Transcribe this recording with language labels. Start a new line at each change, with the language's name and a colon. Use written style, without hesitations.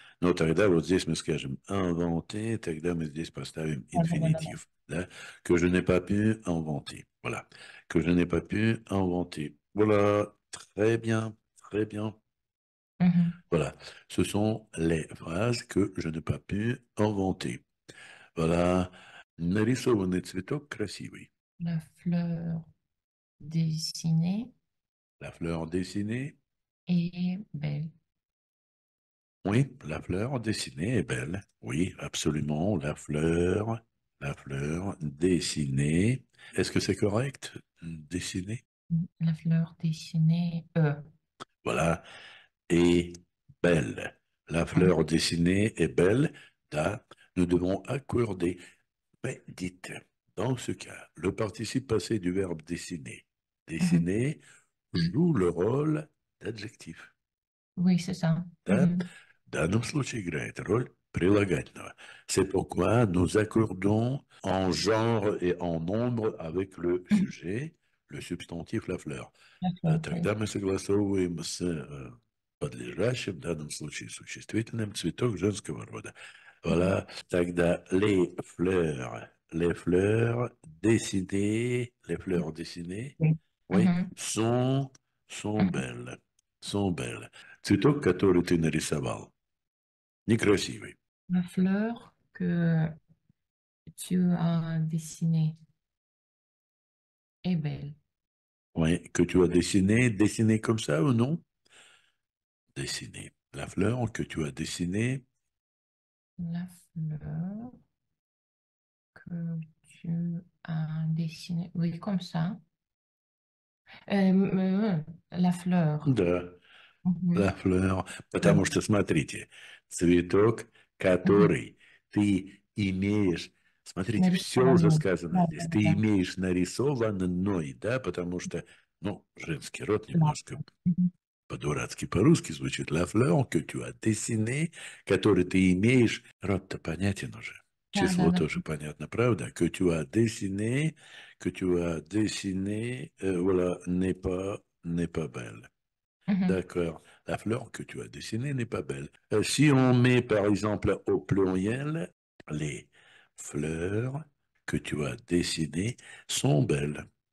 Russian: Но тогда вот здесь мы скажем
French: «inventer»,
Russian: тогда мы здесь поставим Да. инфинитив, да?
French: «Que je n'ai pas pu inventer». Voilà. «Que je n'ai pas pu inventer». Voilà. Très bien. Très bien. Voilà. Ce sont les phrases que je n'ai pas pu inventer. Voilà.
Russian: Нарисованный цветок красивый.
French: La fleur dessinée La fleur dessinée. est belle. Oui, la fleur dessinée est belle. Oui, absolument, la fleur dessinée. Est-ce que c'est correct, dessinée? La fleur dessinée Voilà, est belle. La fleur dessinée est belle. Là, nous devons accorder. Mais dites, dans ce cas, le participe passé du verbe dessiner. Dessiner joue le rôle d'adjectif. Oui, c'est ça. Là,
Russian: в данном случае играет роль прилагательного.
French: C'est pourquoi nous accordons en genre et en nombre avec le sujet, le substantif, la fleur. Là, Oui.
Russian: тогда мы согласовываем с подлежащим, в данном случае существительным, цветок женского рода.
French: Voilà, тогда les fleurs dessinées, les fleurs dessinées, oui, sont belles,
Russian: цветок, который ты нарисовал. Некрасивый.
French: La fleur que tu as dessinée est belle. Oui, que tu as dessiné, dessiné comme ça ou non? Dessiné. La fleur que tu as dessinée La fleur que tu as dessinée. Oui, comme ça. La fleur.
Russian: Да,
French: la fleur,
Russian: потому что смотрите, цветок, который ты имеешь, смотрите, все уже сказано здесь, ты имеешь нарисованной, да, потому что, ну, женский род немножко по-дурацки, по-русски звучит,
French: la fleur que tu as dessinée,
Russian: который ты имеешь, род-то понятен уже, число тоже понятно, правда?
French: Que tu as dessiné, que tu as dessiné, voilà, n'est pas belle. D'accord, la fleur que tu as dessinée n'est pas belle. Si on met par exemple au pluriel, les fleurs que tu as dessinées sont belles.